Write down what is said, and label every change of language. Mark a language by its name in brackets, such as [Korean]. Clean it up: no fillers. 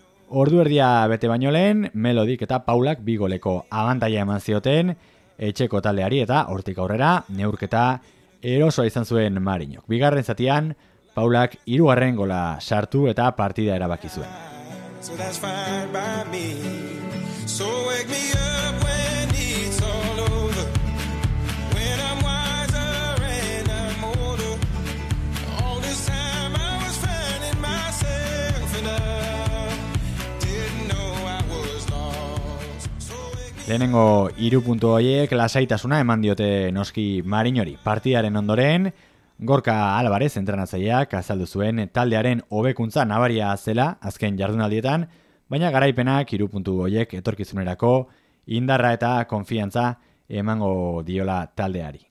[Basque] Ordu erdia bete baino lehen, Melodik eta Paulak bi goleko abantaila eman zioten etxeko taldeari eta hortik aurrera neurketa erosoa izan zuen Marinok. Bigarren zatian, Paulak 3. gola sartu eta partida erabaki zuen. [English] So that's fine by me. So wake me up when it's all over. When I'm wiser and I'm older. All this time I was finding myself and I didn't know I was lost. [Basque] So lehenengo hiru puntu horiek lasaitasuna eman diote noski Marinori. Partidaren ondoren, Gorka Álvarez entrenatzaileak azaldu zuen taldearen hobekuntza nabaria zela azken jardunaldietan, baina garaipenak hiru puntu horiek etorkizunerako indarra eta konfiantza emango diola taldeari.